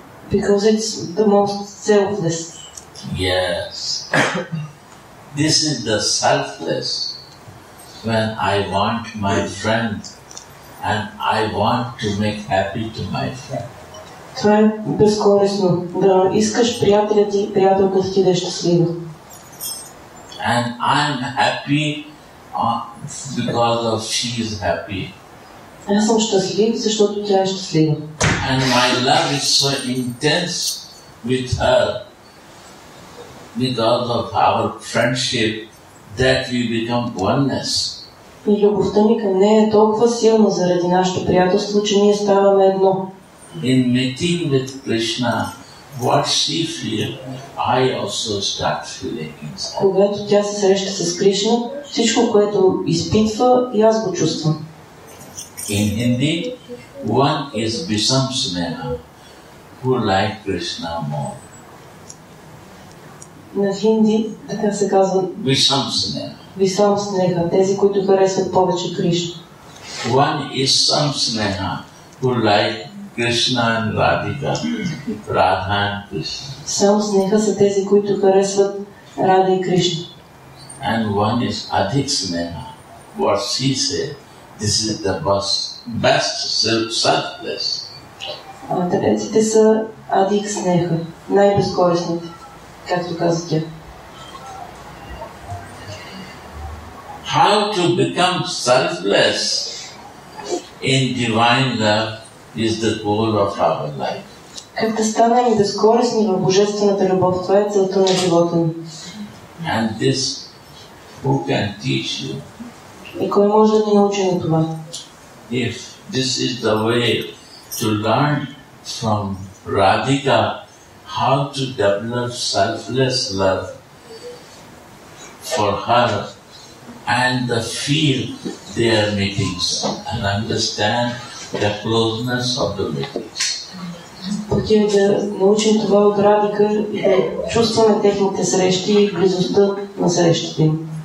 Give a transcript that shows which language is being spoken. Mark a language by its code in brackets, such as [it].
[en] Because it's the most selfless. Yes. This is the selfless. When I want my friend and I want to make happy to my friend. [bg] Това е безкорисно. Да искаш приятеля ти, приятелка ти да е щастлива. [en] And I'm happy because of she is happy. [bg] Аз съм щастлив, защото тя е щастлива. [en] And my love is so intense with her because of our friendship that we become oneness. [bg] И любовта ни към нея е толкова силна заради нашето приятелство, че ние ставаме едно. [en] In meeting with Krishna, what she feels, I also start feeling inside. [bg] Когато тя се среща с Кришна, Всичко, което изпитва, и аз го чувствам. [en] In Hindi, one is Bisham Sneha, who like Krishna more. [bg] На хинди, така се казва, [hi] Bisham Sneha. [bg] Bisham Sneha, тези, които харесват повече Кришна. [en] One is Sam Sneha, who like Krishna and Radhika, Radha and Krishna. [bg] Sam Sneha са тези, които харесват Радха и Кришна. [en] And one is Adhik Sneha, what she said, this is the best selfless. [bg] Третите са Адхик Снеха, най-безкорисните, както каза тя. [en] How to become selfless in divine love is the goal of our life. [bg] Как да станем безкорисни в Божествената любов, това е целта на живота ни. [en] And this, who can teach you? [bg] И кой може да ни научи на това? [en] If this is the way to learn from Radhika how to develop selfless love for her and the feel their meetings and understand the closeness of the meetings. [bg] Хотим да научим това от Радика и да чувстваме техните срещи и близостта на срещите им.